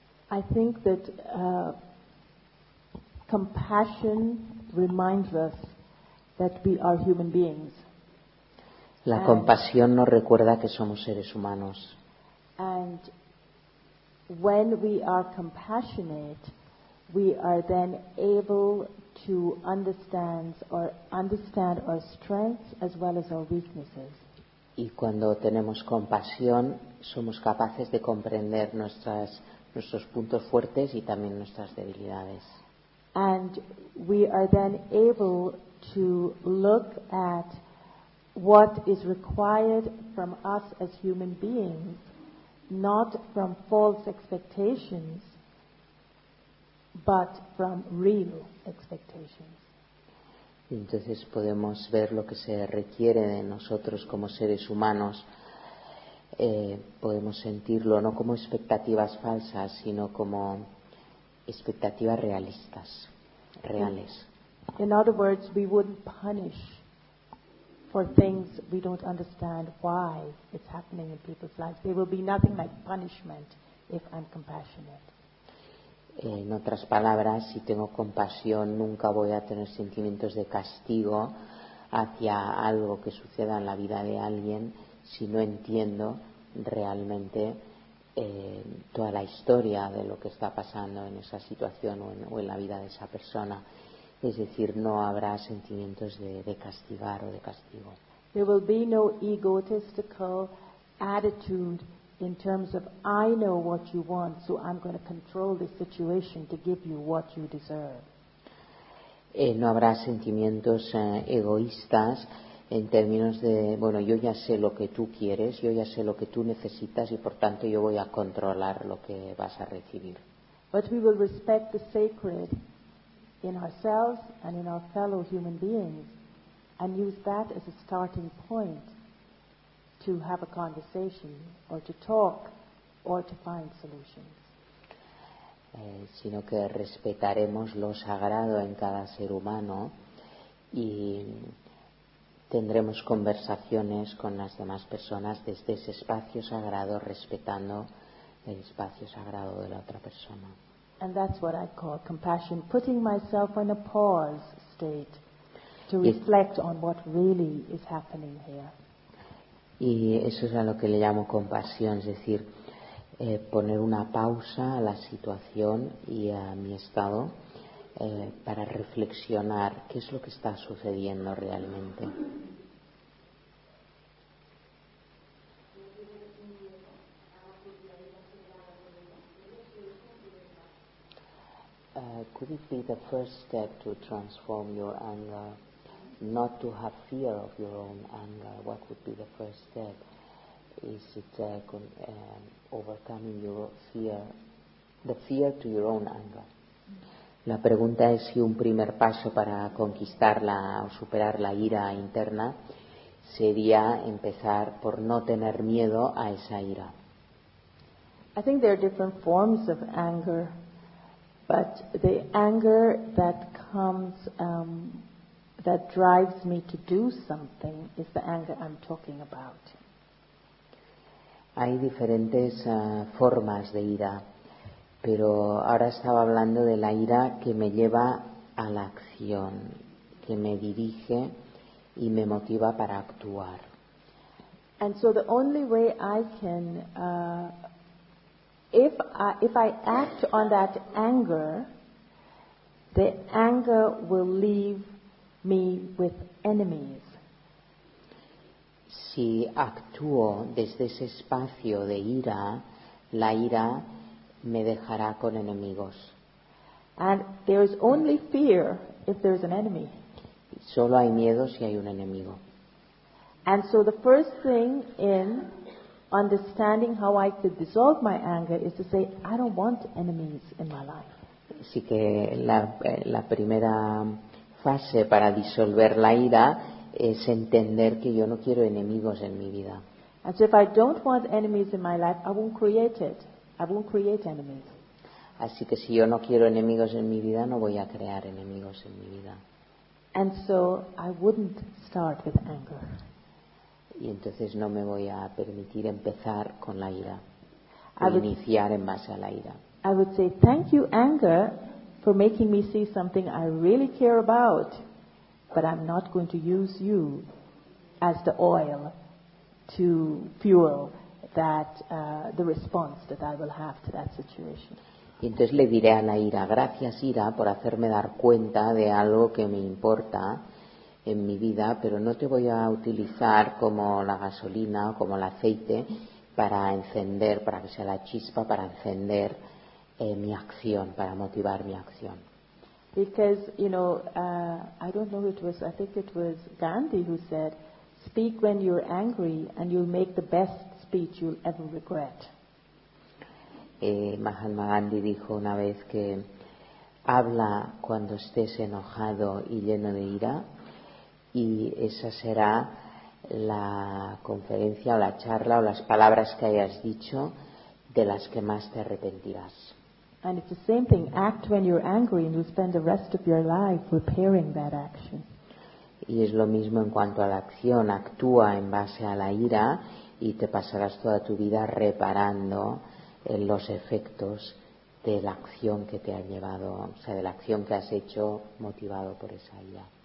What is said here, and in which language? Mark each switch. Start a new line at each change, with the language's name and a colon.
English: I think that compassion reminds us that we are human beings.
Spanish: La compasión nos recuerda que somos seres humanos.
English: And when we are compassionate, we are then able to understand our strengths as well as our weaknesses.
Spanish: Y cuando tenemos compasión, somos capaces de comprender nuestras nuestros puntos fuertes y también nuestras debilidades.
English: And we are then able to look at what is required from us as human beings, not from false expectations, but from real expectations.
Spanish: Entonces podemos ver lo que se requiere de nosotros como seres humanos. Podemos sentirlo no como expectativas falsas, sino como expectativas realistas, reales.
English: In other words, we wouldn't punish for things we don't understand why it's happening in people's lives. There will be nothing like punishment if I'm compassionate.
Spanish: En otras palabras, si tengo compasión, nunca voy a tener sentimientos de castigo hacia algo que suceda en la vida de alguien si no entiendo realmente toda la historia de lo que está pasando en esa situación o en la vida de esa persona. Es decir, no habrá sentimientos de castigar o de castigo.
English: There will be no egotistical attitude in terms of I know what you want, so I'm going to control the situation to give you what you deserve.
Spanish: No habrá sentimientos egoístas en términos de, bueno, yo ya sé lo que tú quieres, yo ya sé lo que tú necesitas y por tanto yo voy a controlar lo que vas a recibir.
English: But we will respect the sacred in ourselves and in our fellow human beings and use that as a starting point to have a conversation or to talk or to find solutions.
Spanish: Sino que respetaremos lo sagrado en cada ser humano y tendremos conversaciones con las demás personas desde ese espacio sagrado, respetando el espacio sagrado de la otra persona.
English: And that's what I call compassion, putting myself in a pause state to reflect on what really is happening here.
Spanish: Y eso es a lo que le llamo compasión, es decir, poner una pausa a la situación y a mi estado para reflexionar qué es lo que está sucediendo realmente.
English: Could it be the first step to transform your anger, not to have fear of your own anger? What would be the first step? Is it overcoming your fear, the fear to your own anger?
Spanish: La pregunta es si un primer paso para conquistarla o superar la ira interna sería empezar por no tener miedo a esa ira.
English: I think there are different forms of anger, but the anger that comes, that drives me to do something, is the anger I'm talking about.
Spanish: Hay diferentes formas de ira. Pero ahora estaba hablando de la ira que me lleva a la acción, que me dirige y me motiva para actuar.
English: And so the only way I can, if I act on that anger, the anger will leave me with enemies.
Spanish: Si actúo desde ese espacio de ira, la ira me dejará con enemigos.
English: And there is only fear if there is an enemy.
Spanish: Solo hay miedo si hay un enemigo.
English: And so the first thing in understanding how I could dissolve my anger is to say I don't want enemies in my life.
Spanish: Así que la primera fase para disolver la ira es entender que yo no quiero enemigos en mi vida.
English: And so if I don't want enemies in my life, I won't create it. I won't create enemies.
Spanish: Así que si yo no quiero enemigos en mi vida, no voy a crear enemigos en mi vida.
English: And so I wouldn't start with anger.
Spanish: Y entonces no me voy a permitir empezar con la ira. Iniciar en base a la ira.
English: I would say, thank you, anger, for making me see something I really care about, but I'm not going to use you as the oil to fuel the response that I will have to that situation.
Spanish: Y entonces le diré a la ira, gracias ira por hacerme dar cuenta de algo que me importa en mi vida, pero no te voy a utilizar como la gasolina o como el aceite para encender, para que sea la chispa para encender mi acción, para motivar mi acción.
English: Because, you know, I don't know who it was, I think it was Gandhi who said, speak when you're angry and you'll make the best speech you'll ever regret.
Spanish: Mahatma Gandhi dijo una vez que habla cuando estés enojado y lleno de ira, y esa será la conferencia o la charla o las palabras que hayas dicho de las que más te arrepentirás.
English: And it's the same thing, act when you're angry and you'll spend the rest of your life repairing that action.
Spanish: Y es lo mismo en cuanto a la acción, actúa en base a la ira y te pasarás toda tu vida reparando los efectos de la acción que te han llevado, o sea, de la acción que has hecho motivado por esa ira.